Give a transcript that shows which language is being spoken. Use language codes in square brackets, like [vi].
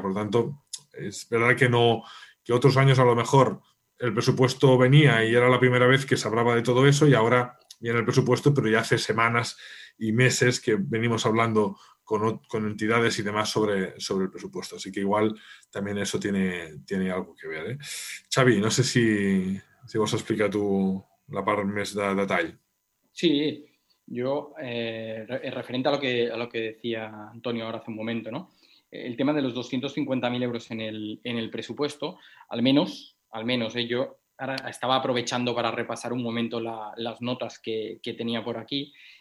[es] Por lo tanto, es verdad que no, que otros años a lo mejor el presupuesto venía y era la primera vez que se hablaba de todo eso, y ahora viene el presupuesto, pero ya hace semanas y meses que venimos hablando con entidades y demás sobre el presupuesto. Así que igual también eso tiene algo que ver, ¿eh? [ca] Xavi, no sé si vos explica tú la part més de detall. [es] Sí, yo, referente a lo que decía Antonio ahora hace un momento, ¿no? El tema de los 250.000 euros en el presupuesto, al menos yo ahora estaba aprovechando para repasar un momento las notas que tenía por aquí.